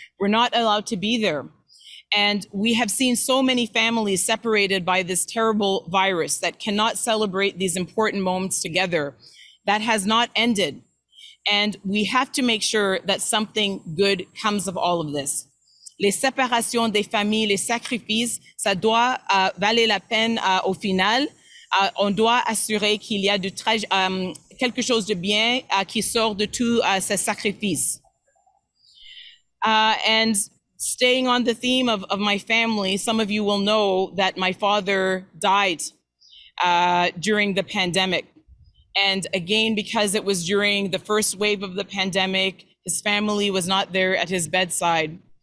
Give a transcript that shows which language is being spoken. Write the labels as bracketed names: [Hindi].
[English] We're not allowed to be there. And we have seen so many families separated by this terrible virus that cannot celebrate these important moments together. That has not ended. And we have to make sure that something good comes of all of this. [French] Les séparations des familles, les sacrifices, ça doit valer la peine au final. On doit assurer qu'il y a quelque chose de bien qui sort de tout ces sacrifices. [English] And staying on the theme of my family, some of you will know that my father died during the pandemic. And again, because it was during the first wave of the pandemic, his family was not there at his bedside.